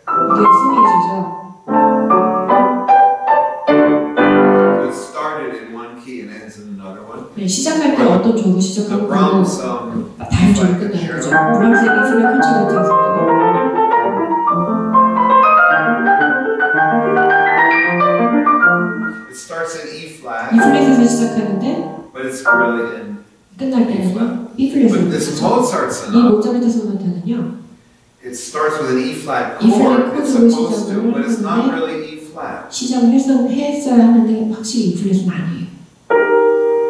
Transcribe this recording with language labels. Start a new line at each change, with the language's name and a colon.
English: It started in one key and ends in another one.
Korean: 네, 시작할 때 어떤 조로 시작하고 다른 조로 끝나는 거죠. 브람스의 E플랫 콘체르토에서
English: It starts in E-flat.
Korean: E플랫에서 시작하는데
English: But it's really in
Korean: 끝날 때는 E플랫에서 시작하는 거죠. 이 모차르트 소나타는요
English: It starts with an E flat chord. It's supposed to, but it's not really E flat.
Korean: 시작을 했어야 하는데 확실히 E 플랫은 아니에요.